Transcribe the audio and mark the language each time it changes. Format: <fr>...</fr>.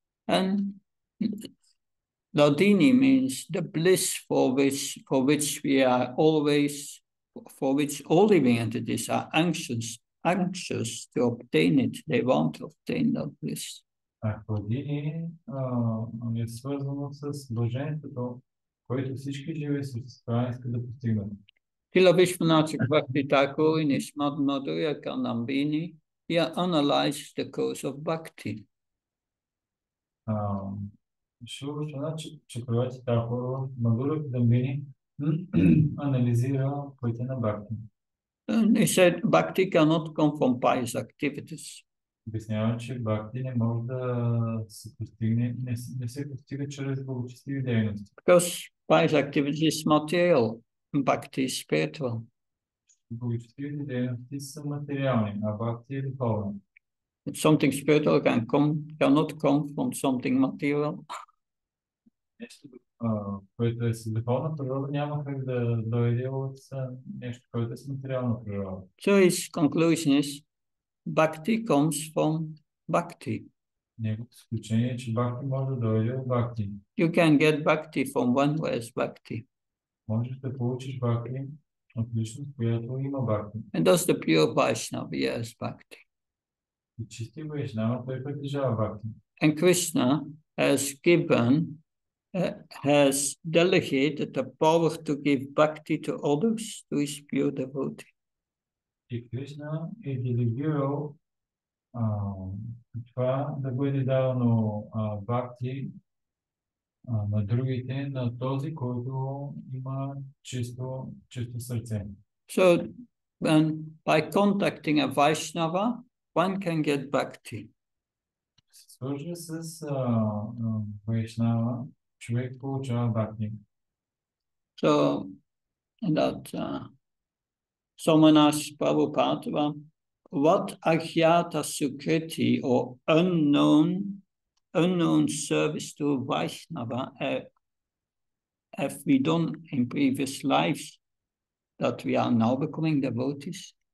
<en>And Ladini means the bliss for which we are always, for which all living entities are anxious to obtain it. They want to obtain that bliss.</en> <bg>Ахладини е свързано с блаженството, което всички живи същества искат да постигнат.</bg> <en>Тила Вишванатик Бхакти Такур in his Мадхурия Канамбини, he analyzed the cause of Бхакти.</en> <bg>Шрила Вишванатик Чакравати Такур в Мадхурия Канамбини анализира пътя на Бхакти.</bg> <en>And he said Бхакти cannot come from pious activities.</en> <bg>Обяснява, че бхакти не може да се постигне, не се постига чрез благочестиви дейности.</bg> <en>Because pious activity is material, bhakti is spiritual.</en> <bg>Благочестивите дейности са материални, а бхакти е духовен.</bg> <en>But something spiritual cannot come from something material.</en> <bg>Нещо, което е с духовна природа, няма как да дойде от нещо, което е с материална природа.</bg> <en>So his conclusion is, bhakti comes from bhakti.</en> <bg>Неговото изключение е, че бхакти може да дойде от бхакти.</bg> <en>You can get bhakti from one who has bhakti.</en> <bg>Можеш да получиш бхакти от личност, която има бхакти.</bg> <en>And does the pure Vaishnava has bhakti.</en> <bg>И чисти Вайшнава, той притежава бхакти.</bg> <en>And Krishna has delegated the power to give bhakti to others, to his pure devotee.</en> <bg>И Кришна е делегирал това да бъде давано бхакти на другите, на този, който има чисто сърце.</bg> <en>So, when by contacting a Vaishnava, one can get bhakti.</en> <bg>Свържа с Вайшнава, човек получава бхакти.</bg> <en>So, that someone asked Prabhupada, well, what ajñāta sukriti or unknown service to Vaishnava have we done in previous lives that we are now becoming devotees?</en>